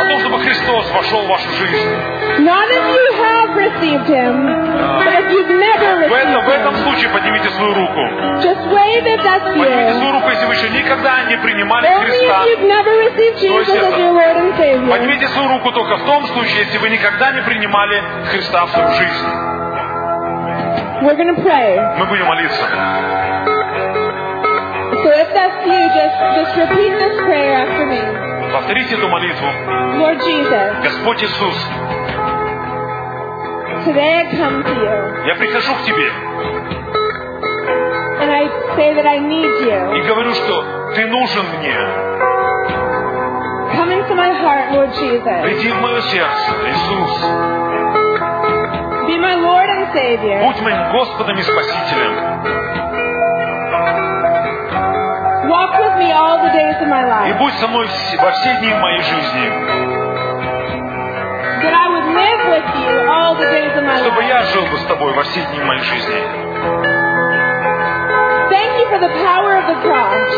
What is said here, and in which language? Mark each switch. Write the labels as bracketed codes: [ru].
[ru] О том, чтобы Христос вошел в вашу жизнь. [en] Not if you have received Him, but if you've never received Him. [ru] В этом случае поднимите свою руку. [en] Just wave it, that's you. [ru] Поднимите свою руку, если вы еще никогда не принимали Христа. [en] Only if you've never received Jesus as your Lord and Savior. [ru] Поднимите свою руку только в том случае, если вы никогда не принимали Христа в свою жизнь. [en] We're going to pray. [ru] Мы будем молиться. [en] So if that's you, just repeat this prayer after me. [ru] Повторите эту молитву. [en] Lord Jesus. [ru] Господь Иисус. [en] Today I come to you. [ru] Я прихожу к тебе. [en] And I say that I need you. [ru] И говорю, что ты нужен мне. [en] Come into my heart, Lord Jesus. [ru] Приди в мое сердце, Иисус. [en] Be my Lord and Savior. [ru] Будь моим Господом и Спасителем. [en] Walk with me all the days of my life. [ru] И будь со мной во все дни моей жизни. [en] That I would live with you all the days of my life. [ru] Чтобы я жил бы с тобой во все дни моей жизни. [en] Thank you for the power of the cross.